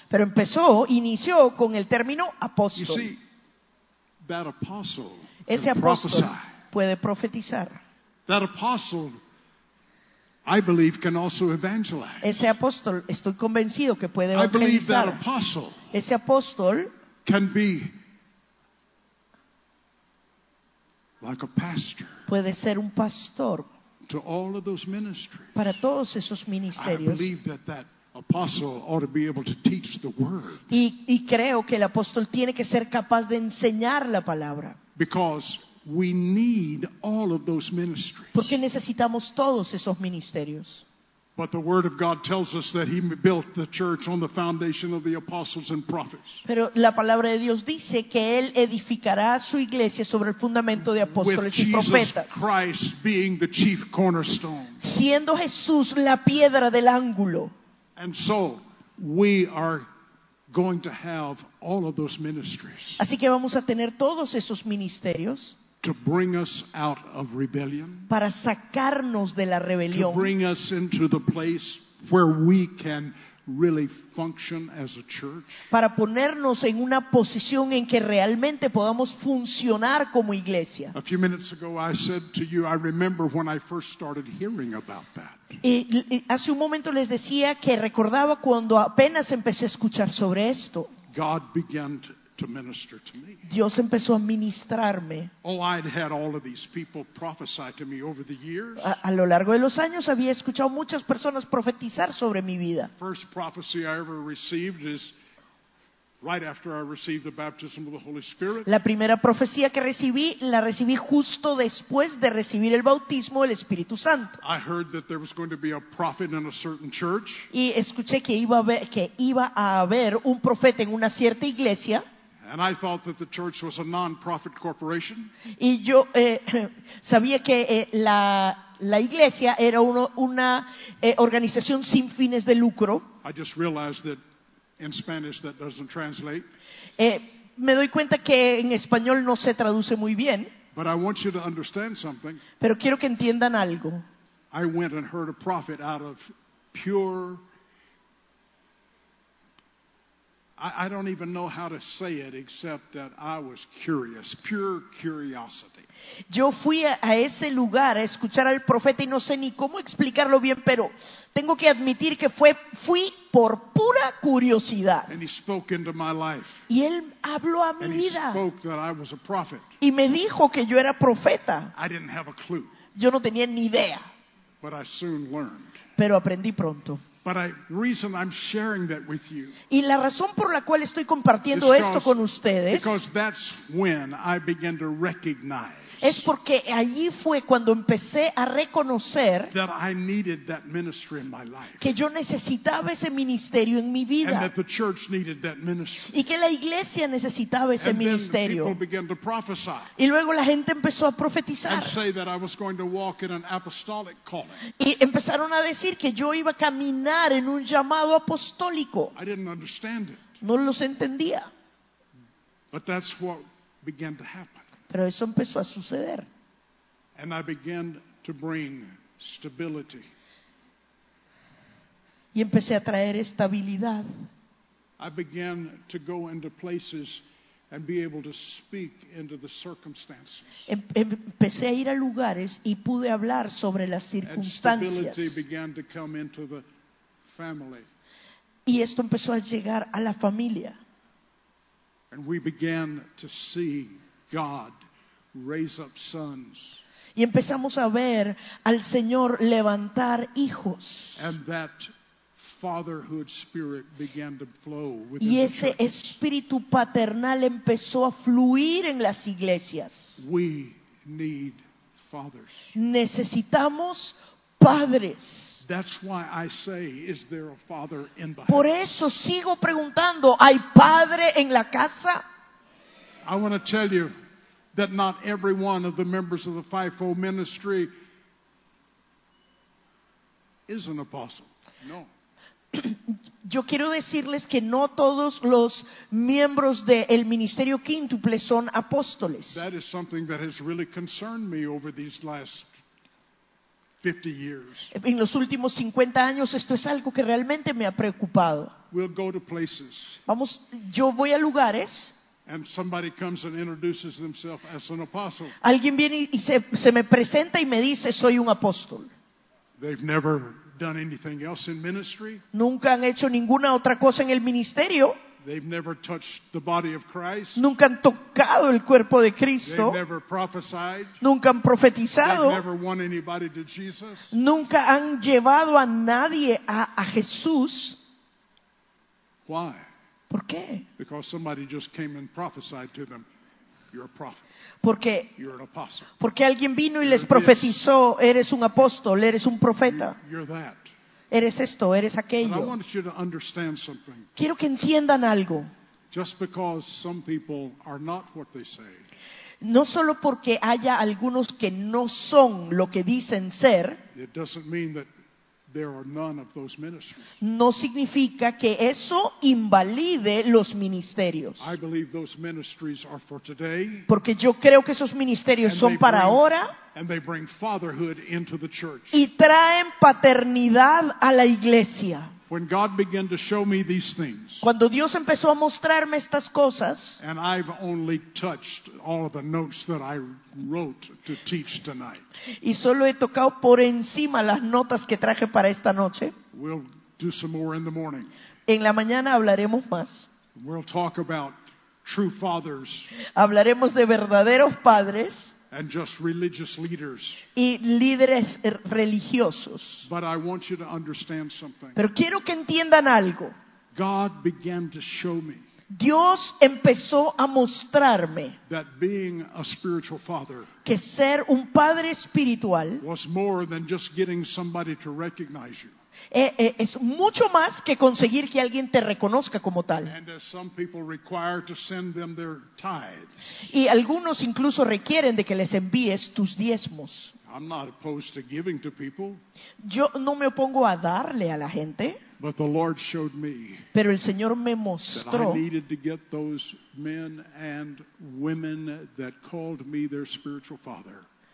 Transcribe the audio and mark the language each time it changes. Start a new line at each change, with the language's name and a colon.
Spanish: Pero empezó, inició con el término apóstol.
English: You see, that apostle
Spanish: ese apóstol puede profetizar.
English: That apostle, I believe, can also evangelize.
Spanish: Ese apóstol, estoy convencido que puede evangelizar.
English: I believe that apostle
Spanish: ese apóstol
English: can be like a pastor.
Spanish: Puede ser un pastor
English: to all of those ministries.
Spanish: Para todos esos ministerios.
English: I believe that that apostle ought to be able to teach the word.
Spanish: Y creo que el apóstol tiene que ser capaz de enseñar la palabra.
English: Because we need all of those ministries.
Spanish: Porque necesitamos todos esos ministerios.
English: But the word of God tells us that he built the church on the foundation of the apostles and prophets.
Spanish: Pero la palabra de Dios dice que él edificará su iglesia sobre el fundamento de apóstoles y profetas.
English: With Jesus Christ being the chief cornerstone.
Spanish: Siendo Jesús la piedra del ángulo.
English: And so we are going to have all of those ministries.
Spanish: Así que vamos a tener todos esos ministerios.
English: To bring us out of rebellion.
Spanish: Para sacarnos de la rebelión.
English: To bring us into the place where we can really function as a church.
Spanish: Para ponernos en una posición en que realmente podamos funcionar como iglesia.
English: A few minutes ago I said to you, I remember when I first started hearing about that.
Spanish: Y hace un momento les decía que recordaba cuando apenas empecé a escuchar sobre esto.
English: God began to minister to me.
Spanish: Dios empezó a ministrarme.
English: Oh, I'd had all of these people prophesy to me over the years.
Spanish: A lo largo de los años había escuchado muchas personas profetizar sobre mi vida.
English: First prophecy I ever received is right after I received the baptism of the Holy Spirit.
Spanish: La primera profecía que recibí la recibí justo después de recibir el bautismo del Espíritu Santo.
English: I heard that there was going to be a prophet in a certain church.
Spanish: Y escuché que iba a haber un profeta en una cierta iglesia.
English: And I thought that the church was a non-profit corporation.
Spanish: Y yo sabía que la iglesia era una organización sin fines de lucro.
English: I just realized that in Spanish that doesn't translate.
Spanish: Me doy cuenta que en español no se traduce muy bien.
English: But I want you to understand something.
Spanish: Pero quiero que entiendan algo.
English: I went and heard a prophet out of pure I don't even know how to say it except that I was curious, pure curiosity.
Spanish: Yo fui a ese lugar a escuchar al profeta y no sé ni cómo explicarlo bien, pero tengo que admitir que fui por pura curiosidad.
English: And he spoke into my life.
Spanish: Y él habló a mi vida.
English: And he spoke that I was a prophet.
Spanish: Y me dijo que yo era profeta.
English: I didn't have a clue.
Spanish: Yo no tenía ni idea.
English: But I soon learned.
Spanish: Pero aprendí pronto.
English: But the reason I'm sharing that with you.
Spanish: Y la razón por la cual estoy compartiendo esto con ustedes.
English: Because that's when I began to recognize.
Spanish: Es porque allí fue cuando empecé a reconocer.
English: That I needed that ministry in my life.
Spanish: Que yo necesitaba ese ministerio en mi vida.
English: And that the church needed that ministry.
Spanish: Y que la iglesia necesitaba ese ministerio.
English: And then people began to prophesy.
Spanish: Y luego la gente empezó a profetizar.
English: And say that I was going to walk in an apostolic calling.
Spanish: Y empezaron a decir que yo iba a caminar en un llamado apostólico.
English: I didn't understand it.
Spanish: No los entendía.
English: But that's what began to happen.
Spanish: Pero eso empezó a suceder.
English: And I began to bring stability.
Spanish: Y empecé a traer estabilidad.
English: I began to go into places and be able to speak into the circumstances.
Spanish: Empecé a ir a lugares y pude hablar sobre las circunstancias.
English: And stability began to come into the family.
Spanish: Y esto empezó a llegar a la familia.
English: And we began to see God raise up sons.
Spanish: Y empezamos a ver al Señor levantar hijos.
English: And that fatherhood spirit began to flow within the church.
Spanish: Y ese espíritu paternal empezó a fluir en las iglesias.
English: We need fathers.
Spanish: Necesitamos padres.
English: That's why I say, is there a father in the
Spanish: Por eso sigo preguntando, ¿hay padre en la casa?
English: I want to tell you that not every one of the members of the FIFO ministry is an apostle.
Spanish: No. Yo quiero decirles que no todos los miembros del ministerio quíntuple son apóstoles.
English: That is something that has really concerned me over these last 50 years.
Spanish: En los últimos 50 años esto es algo que realmente me ha preocupado.
English: We'll go to places.
Spanish: Vamos, yo voy a lugares.
English: And somebody comes and introduces themselves as an apostle.
Spanish: Alguien viene y se me presenta y me dice, soy un apóstol.
English: They've never done anything else in ministry.
Spanish: Nunca han hecho ninguna otra cosa en el ministerio.
English: They've never touched the body of Christ.
Spanish: Nunca han tocado el cuerpo de Cristo.
English: They've never prophesied.
Spanish: Nunca han profetizado.
English: They've never won anybody to Jesus.
Spanish: Nunca han llevado a nadie a Jesús.
English: Why?
Spanish: ¿Por qué?
English: Because somebody just came and prophesied to them. You're a prophet.
Spanish: Porque,
English: you're an apostle.
Spanish: Porque alguien vino y les profetizó, eres un apóstol, eres un profeta.
English: You're that.
Spanish: Eres esto, eres aquello.
English: But I want you to understand something.
Spanish: Quiero que entiendan algo.
English: Just because some people are not what they say.
Spanish: No solo porque haya algunos que no son lo que dicen ser.
English: It doesn't mean that there are none of those ministries.
Spanish: No significa que eso invalide los ministerios.
English: I believe those ministries are for today.
Spanish: Porque yo creo que esos ministerios son para ahora.
English: And they bring fatherhood into the church.
Spanish: Y traen paternidad a la iglesia.
English: When God began to show me these things,
Spanish: cuando Dios empezó a mostrarme estas cosas,
English: and I've only touched all of the notes that I wrote to teach tonight.
Spanish: Y solo he tocado por encima las notas que traje para esta noche.
English: We'll do some more in the morning.
Spanish: En la mañana hablaremos más.
English: We'll talk about true fathers.
Spanish: Hablaremos de verdaderos padres.
English: And just religious leaders.
Spanish: Y líderes religiosos.
English: But I want you to understand something.
Spanish: Pero quiero que entiendan algo.
English: God began to show me.
Spanish: Dios empezó a mostrarme.
English: That being a spiritual father.
Spanish: Que ser un padre espiritual.
English: Was more than just getting somebody to recognize you.
Spanish: Es mucho más que conseguir que alguien te reconozca como tal.
English: And as some people require to send them their tithes.
Spanish: Y algunos incluso requieren de que les envíes tus diezmos.
English: I'm not opposed to giving to people.
Spanish: Yo no me opongo a darle a la gente.
English: But the Lord showed me.
Spanish: Pero el Señor me mostró.
English: That I needed to get those men and women that called me their spiritual father.